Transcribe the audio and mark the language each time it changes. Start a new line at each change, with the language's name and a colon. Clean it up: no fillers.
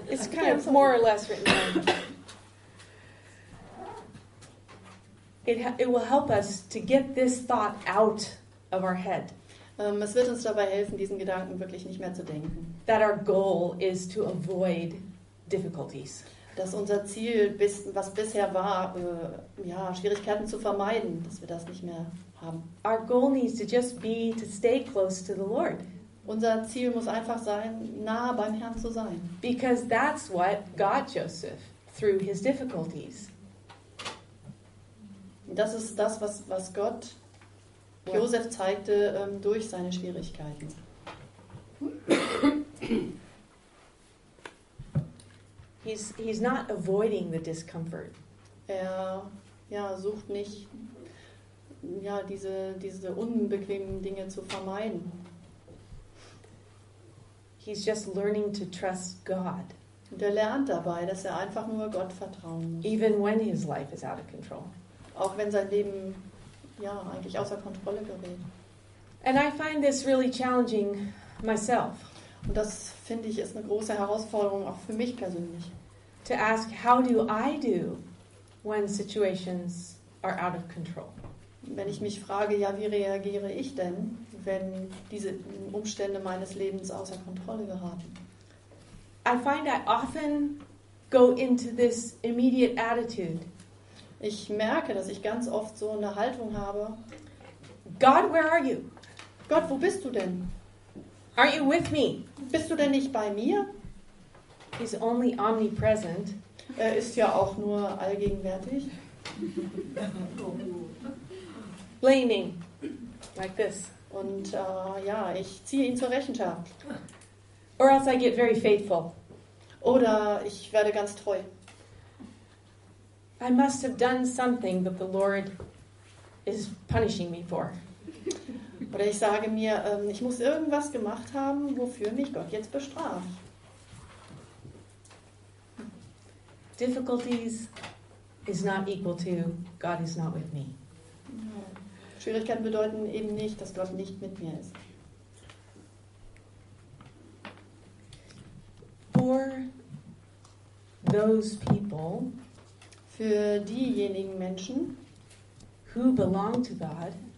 English: It's kind of more or less written down. It will help us to get this thought out of our head.
German: Es wird uns dabei helfen, diesen Gedanken wirklich nicht mehr zu denken.
English: That our goal is to avoid difficulties.
German: Dass unser Ziel, was bisher war, Schwierigkeiten zu vermeiden, dass wir das nicht mehr haben.
English: Our goal needs to just be to stay close to the Lord.
German: Unser Ziel muss einfach sein, nah beim Herrn zu sein.
English: Because that's what got Joseph through his difficulties.
German: Das ist das, was Gott Josef zeigte durch seine Schwierigkeiten.
English: He's not avoiding the discomfort.
German: Er sucht nicht diese unbequemen Dinge zu vermeiden.
English: He's just learning to trust God.
German: Und er lernt dabei, dass er einfach nur Gott vertrauen muss.
English: Even when his life is out of control.
German: Auch wenn sein Leben eigentlich außer Kontrolle gerät.
English: And I find this really challenging myself.
German: Und das finde ich ist eine große Herausforderung auch für mich persönlich.
English: To ask how do I do when situations are out of control.
German: Wenn ich mich frage, wie reagiere ich denn, wenn diese Umstände meines Lebens außer Kontrolle geraten?
English: I find I often go into this immediate attitude.
German: Ich merke, dass ich ganz oft so eine Haltung habe.
English: God, where are you?
German: Gott, wo bist du denn?
English: Are you with me?
German: Bist du denn nicht bei mir?
English: He's only omnipresent.
German: Er ist ja auch nur allgegenwärtig.
English: Blaming. Like this.
German: Und ich ziehe ihn zur Rechenschaft.
English: Or else I get very faithful.
German: Oder ich werde ganz treu.
English: I must have done something that the Lord is punishing me for.
German: Oder ich sage mir, ich muss irgendwas gemacht haben, wofür mich Gott jetzt bestraft.
English: Difficulties is not equal to God is not with me.
German: Schwierigkeiten bedeuten eben nicht, dass Gott nicht mit mir ist.
English: For those people
German: für diejenigen Menschen,
English: who belong to God,